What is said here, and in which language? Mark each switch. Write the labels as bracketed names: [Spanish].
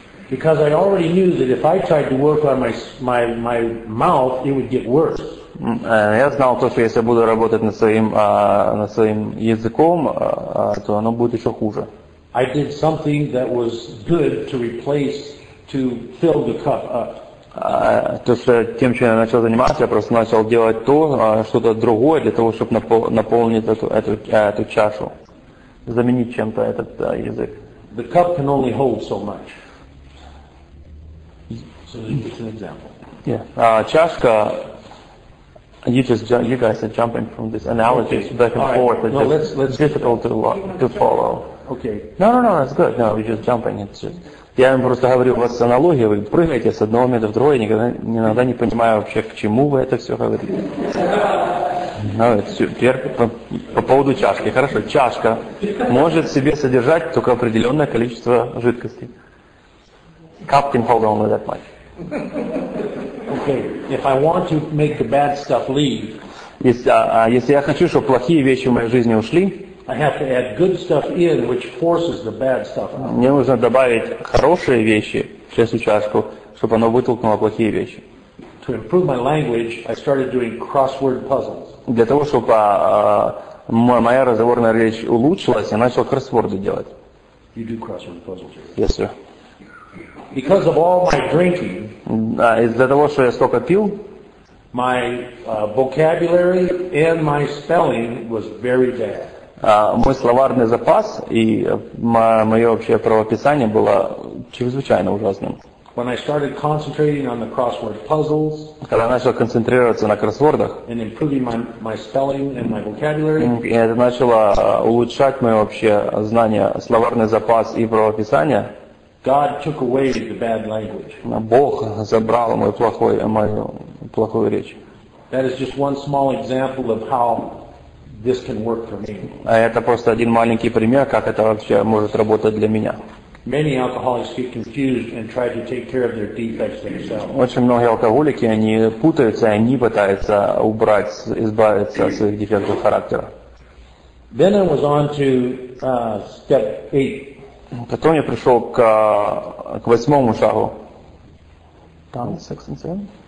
[English] Because I already knew that if I tried to work on my mouth, it would get worse. [Russian] Я знал то, что если я буду работать над своим языком, то оно будет еще хуже. [English] I did something that was good to replace, to fill the cup up. [Russian] То, что тем, чем я начал заниматься, я просто начал делать то, что-то другое для того, чтобы наполнить эту чашу, заменить чем-то этот язык. [English] The cup can only hold so much. So it's an example. Yeah. Чашка. You guys are jumping from this analogy back and forth. No, let's difficult to follow. Okay. No, that's good. No, we're just jumping. It's just. [Russian] Я им просто говорю, у вас аналогия, вы прыгаете с одного места в другое, иногда не понимаю вообще, к чему вы это все говорите. Ну, это все, по поводу чашки. Хорошо, чашка может в себе содержать только определенное количество жидкости. [English] Cup can hold only that much. Okay, if I want to make the bad stuff leave, [Russian] если я хочу, чтобы плохие вещи в моей жизни ушли, [English] I have to add good stuff in, which forces the bad stuff out. [Russian] Мне нужно добавить хорошие вещи в эту чашку, чтобы оно вытолкнуло плохие вещи. [English] To improve my language, I started doing crossword puzzles. [Russian] Для того, чтобы моя разговорная речь улучшилась, я начал кроссворды делать. [English] You do crossword puzzles, right? Yes, sir. Because of all my drinking, [Russian] из-за того, что я столько пил, [English] my vocabulary and my spelling was very bad. [Russian] Мой словарный запас и мое общее правописание было чрезвычайно ужасным. [English] When I started concentrating on the crossword puzzles, [Russian] когда я начал концентрироваться на кроссвордах, [English] and improving my spelling and my vocabulary, [Russian] и это начало улучшать мое общее знание, словарный запас и правописание, [English] God took away the bad language. [Russian] Бог забрал мою плохую речь. [English] That is just one small example of how this can work for me. [Russian] А это просто один маленький пример, как это вообще может работать для меня. [English] Many alcoholics get confused and try to take care of their defects themselves. [Russian] Очень многие алкоголики, они путаются, и они пытаются избавиться от своих дефектов характера. [English] Then I was on to step 8. [Russian] Потом я пришел к восьмому шагу. [English] Down 6 and 7.